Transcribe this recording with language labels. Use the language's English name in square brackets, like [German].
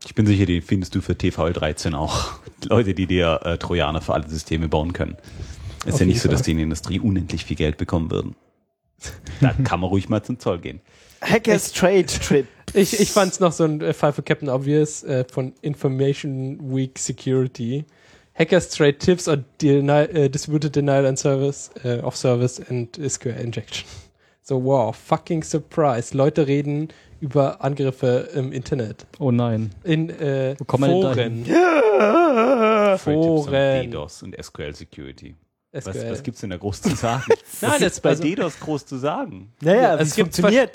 [German] Ich bin sicher, die findest du für TVL13 auch. Leute, die dir Trojaner für alle Systeme bauen können. Ist auf ja nicht so, dass die in der Industrie unendlich viel Geld bekommen würden. Dann kann man ruhig mal zum Zoll gehen. [English] Hackers Trade Trip. [German] Ich fand's noch so ein Fall für Captain Obvious von Information Week Security. [English] Hackers Trade Tips on Distributed Denial and Service of Service and SQL Injection. So, wow, fucking surprise. [German] Leute reden über Angriffe im Internet. Oh nein. In wo kommen Foren. Wir denn dahin? Foren. DDoS und SQL Security. Was gibt es denn da groß zu sagen? Nein, was gibt bei DDoS groß zu sagen? Naja, es funktioniert.